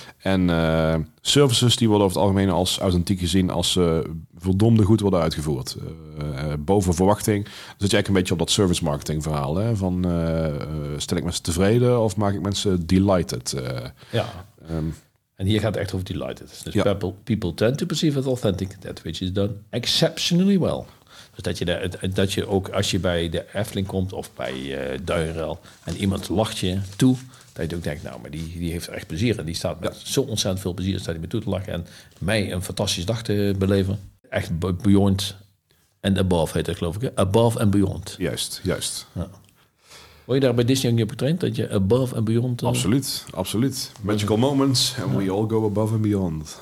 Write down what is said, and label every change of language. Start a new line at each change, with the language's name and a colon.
Dutch: En services die worden over het algemeen als authentiek gezien als ze verdomde goed worden uitgevoerd. Boven verwachting. Dan zit je eigenlijk een beetje op dat service marketing verhaal. Hè? Van stel ik mensen tevreden of maak ik mensen delighted? En hier gaat het echt over delighted.
English: Dus people tend to perceive it authentic, that which is done exceptionally well.
Dutch: Dus dat je ook als je bij de Efteling komt of bij Duinruil en iemand lacht je toe, dat je ook denkt, maar die heeft echt plezier. En die staat met zo ontzettend veel plezier, staat hij me toe te lachen en mij een fantastische dag te beleven. echt beyond en above heet dat, geloof ik. Hè? Above and beyond. Juist, juist. Ja. Word je daar bij Disney ook niet op getraind? Dat je above and beyond... Absoluut, absoluut.
English: Magical moments and we all go above and beyond.